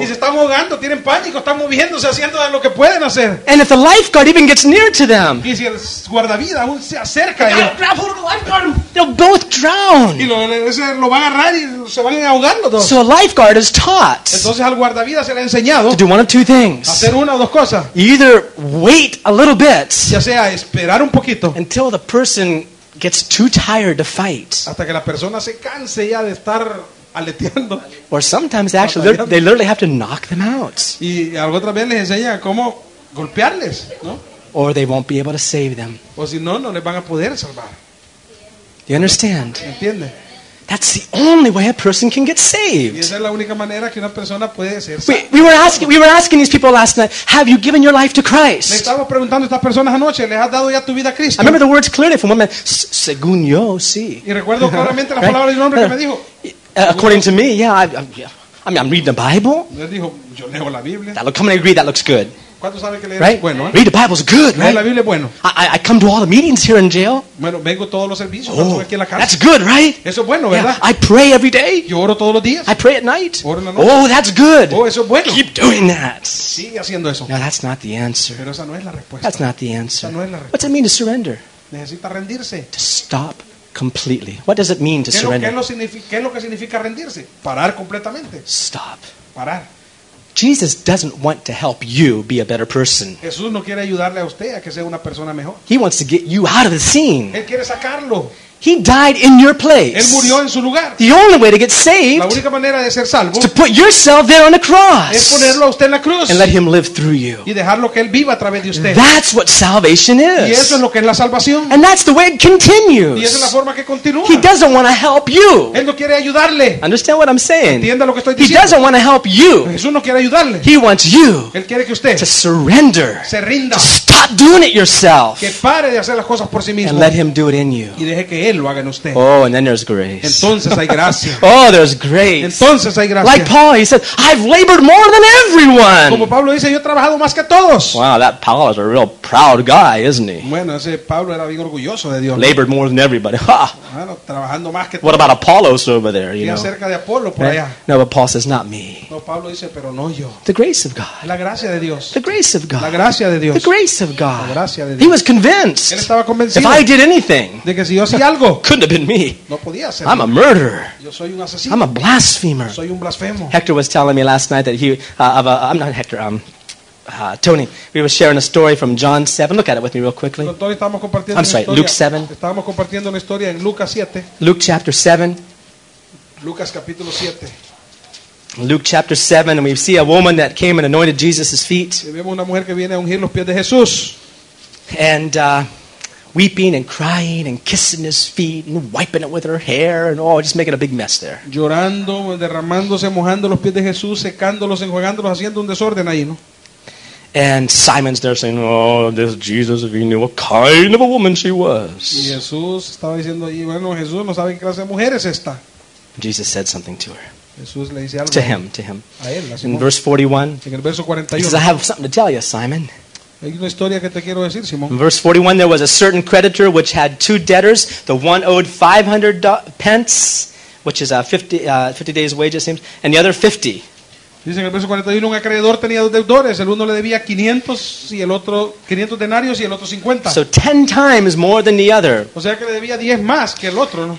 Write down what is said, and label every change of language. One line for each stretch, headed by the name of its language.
Spanish: Y se están ahogando, tienen pánico, están moviéndose, haciendo lo que pueden hacer.
English: And if the lifeguard even gets near to them.
Spanish: Y si el guardavida aún se acerca.
English: They gotta grab hold of the lifeguard. They'll both drown.
Spanish: Y lo van a agarrar y se van ahogando todos.
English: So a lifeguard is taught.
Spanish: Entonces al guardavida se le ha enseñado.
English: To do one of two things.
Spanish: Hacer una o dos cosas.
English: Either wait a little bit.
Spanish: Ya sea esperar un poquito.
English: Until the person gets too tired to fight.
Spanish: Hasta que la persona se canse ya de estar aleteando.
English: Or sometimes actually they literally have to knock them out.
Spanish: Y algo otra vez les enseña cómo golpearles, ¿no?
English: Or they won't be able to save them.
Spanish: O si no, no les van a poder salvar.
English: Do you understand?
Spanish: ¿Entiende?
English: That's the only way a person can get saved.
Spanish: Y esa es la única manera que una persona puede ser salva.
English: We were asking these people last night, have you given your life to Christ?
Spanish: Le estábamos preguntando a estas personas anoche, ¿les has dado ya tu vida a Cristo?
English: I remember the words clearly from one man,
Spanish: según yo, sí. Y recuerdo claramente las palabras de un hombre que me dijo.
English: According to me, yeah, I'm reading the Bible.
Spanish: Él dijo, yo leo la Biblia.
English: Come and agree, that looks good.
Spanish: ¿Cuánto sabe que leer
English: right?
Spanish: Bueno, ¿eh?
English: Read the Bible is good, right?
Spanish: La Biblia es bueno.
English: I come to all the meetings here in jail.
Spanish: Bueno, vengo todos los servicios, oh, aquí en la casa.
English: That's good, right?
Spanish: Eso es bueno, ¿verdad?
English: Yeah, I pray every day.
Spanish: Yo oro todos los días.
English: I pray at night.
Spanish: Oro en la noche.
English: Oh, that's good.
Spanish: Oh, eso es bueno.
English: Keep doing that.
Spanish: Sigue haciendo eso.
English: No, that's not the answer.
Spanish: Pero esa no es la respuesta.
English: That's not the answer.
Spanish: Esa no es la respuesta.
English: What's it mean to surrender?
Spanish: Necesita rendirse.
English: To stop completely. What does it mean to surrender?
Spanish: ¿Qué es lo que significa rendirse? Parar completamente.
English: Stop.
Spanish: Parar.
English: Jesus doesn't want to help you be a better person.
Spanish: Jesús no quiere ayudarle a usted a que sea una persona mejor.
English: He wants to get you out of the scene.
Spanish: Él quiere sacarlo.
English: He died in your place.
Spanish: Él murió en su lugar.
English: The only way to get saved,
Spanish: la única manera de ser salvo,
English: is to put yourself there on the cross.
Spanish: Es ponerlo a usted en la cruz.
English: And let him live through you.
Spanish: Y dejarlo que él viva a través de usted.
English: That's what salvation is.
Spanish: Y eso es lo que es la salvación.
English: And that's the way it continues.
Spanish: Y esa es la forma que continúa.
English: He doesn't want to help you.
Spanish: Él no quiere ayudarle.
English: Understand what I'm saying?
Spanish: Entienda lo que estoy diciendo.
English: He doesn't want to help you.
Spanish: Jesús no quiere ayudarle.
English: He wants you.
Spanish: Él quiere que usted
English: to surrender.
Spanish: Se rinda.
English: To stop doing it yourself.
Spanish: Que pare de hacer las cosas por sí mismo.
English: And let him do it in you.
Spanish: Y deje que él lo haga en usted.
English: Oh, and then there's grace.
Spanish: Entonces hay gracia.
English: Oh, there's grace.
Spanish: Entonces hay gracia.
English: Like Paul, he said, I've labored more than everyone.
Spanish: Como Pablo dice, yo he trabajado más que todos.
English: Wow, that Paul is a real proud guy, isn't he?
Spanish: Bueno, ese Pablo era bien orgulloso de Dios.
English: Labored more than everybody. Ha.
Spanish: Bueno, trabajando más que
English: todos. What about Apollos over there, you know?
Spanish: Acerca de Apolo por allá.
English: No, but Paul says, not me.
Spanish: No, Pablo dice, pero no yo.
English: The grace of God.
Spanish: La gracia de Dios.
English: The grace of God.
Spanish: La gracia de Dios.
English: The grace of God.
Spanish: La gracia de Dios.
English: He was convinced.
Spanish: Él estaba convencido.
English: If I did anything.
Spanish: De que si yo hacía algo.
English: Couldn't have been me.
Spanish: No podía ser.
English: I'm a murderer.
Spanish: Yo soy un asesino.
English: I'm a blasphemer.
Spanish: Soy un blasfemo.
English: Hector was telling me last night that Tony, we were sharing a story from John 7. Look at it with me real quickly. I'm sorry, Luke 7.
Spanish: Estábamos compartiendo una historia en Lucas 7.
English: Luke chapter 7.
Spanish: Lucas capítulo 7.
English: Luke chapter 7, and we see a woman that came and anointed Jesus' feet.
Spanish: Vemos una mujer que viene a ungir los pies de Jesús.
English: And weeping and crying and kissing his feet and wiping it with her hair and oh, just making a big mess there.
Spanish: Llorando, derramándose, mojando los pies de Jesús, secándolos, enjuagándolos, haciendo un desorden ahí, ¿no?
English: And Simon's there saying, oh, this Jesus, if he knew what kind of a woman she was.
Spanish: Y Jesús estaba diciendo, y bueno, Jesús no sabe qué clase de mujer es esta.
English: Jesus said something to her.
Spanish: Jesús le dice algo.
English: To him.
Spanish: A él, a
English: Simón. In verse 41.
Spanish: En el verso 41.
English: He says, I have something to tell you, Simon.
Spanish: Hay una historia que te quiero decir, Simón.
English: In verse 41, there was a certain creditor which had two debtors. The one owed 500 pence, which is 50 days wages, seems, and the other 50.
Spanish: Dice en el verso 41, un acreedor tenía dos deudores. El uno le debía 500 denarios y el otro 50.
English: So 10 times more than the other.
Spanish: O sea que le debía 10 más que el otro, ¿no?